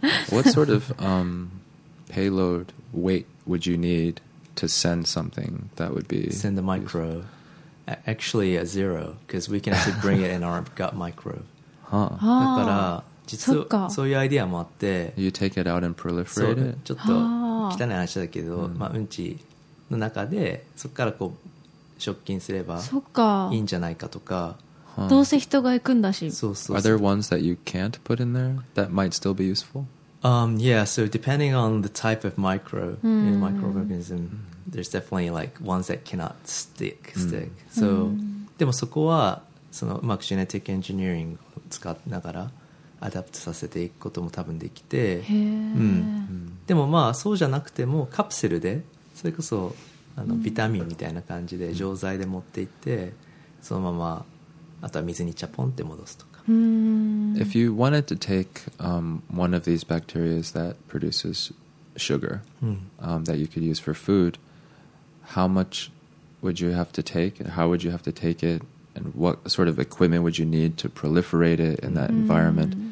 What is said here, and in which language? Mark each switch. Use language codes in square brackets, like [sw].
[en] What sort of、payload weight would you needto send something that would be... Send a microbe. Actually, a zero, because we can actually bring it in our gut microbe. Huh. [ja] だから、実はそういうアイデアもあって、 [en] You take it out and proliferate it? [ja] ちょっと汚い話だけど、まあ、うんちの中で、そこからこう、食菌すればいいんじゃないかとか、どうせ人が行くんだし。そうそう。 [en] Are there ones that you can't put in there that might still be useful? Yeah, so depending on the type of micro, you know, microorganism, there's definitely like ones that cannot stick. [ja] So, でもそこはそのうまくジェネティックエンジニアリングを使いながらアダプトさせていくことも多分できて、でもまあそうじゃなくてもカプセルでそれこそあのビタミンみたいな感じで錠剤で持っていってそのままあとは水にチャポンって戻すとか。 [en] If you wanted to take one of these bacteria that produces sugar that you could use for food, how much would you have to take? How would you have to take it? And what sort of equipment would you need to proliferate it in that environment?